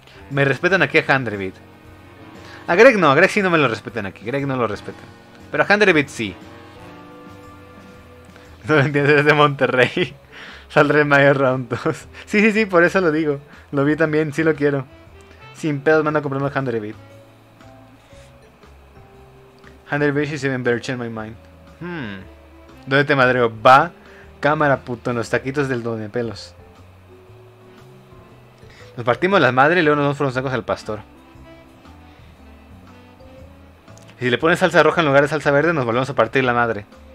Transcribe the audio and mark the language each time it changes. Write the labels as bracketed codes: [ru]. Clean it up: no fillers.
[es] Me respetan aquí a Handerbeat. A Greg no, a Greg sí no me lo respetan aquí. Greg no lo respetan. Pero a Handerbeat sí. No lo entiendes, eres de Monterrey. Saldré en Mayor Round 2. Sí, por eso lo digo. Lo vi también, sí lo quiero. Sin pedos mando a comprar un Handerbeat. [en] Handerbeat is even better in my mind. [es] ¿Dónde te madreo? Va, cámara puto, en los taquitos del Don de Pelos. Nos partimos la madre y luego nos vamos por los tacos al pastor. Y si le pones salsa roja en lugar de salsa verde, nos volvemos a partir la madre.